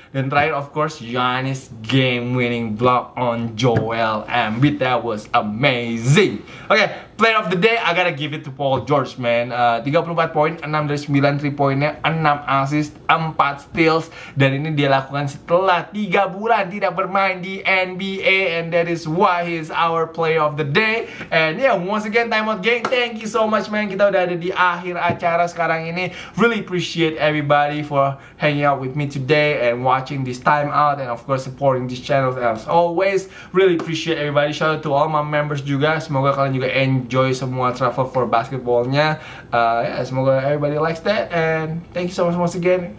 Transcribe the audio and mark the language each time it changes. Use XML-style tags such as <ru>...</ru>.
<en>Dan terakhir of course Giannis game-winning block on Joel Embiid. That was amazing. Okay, Player of the day, I gotta give it to Paul George, man. 34 poin, 6 dari 9 3 poinnya, 6 assist, 4 steals.</en> <id>Dan ini dia lakukan setelah 3 bulan tidak bermain di NBA.</id> <en>And that is why he is our player of the day. And yeah, once again, time out gang. Thank you so much, man.</en> <id>Kita udah ada di akhir acara sekarang ini.</id> <en>Really appreciate everybody for hanging out with me today and watching this time out. And of course, supporting this channel as always. Really appreciate everybody. Shout out to all my members juga.</en> <id>Semoga kalian juga</id> <en>enjoy semua travel for basketballnya. Yeah, semoga everybody likes that. And thank you so much once again.</en>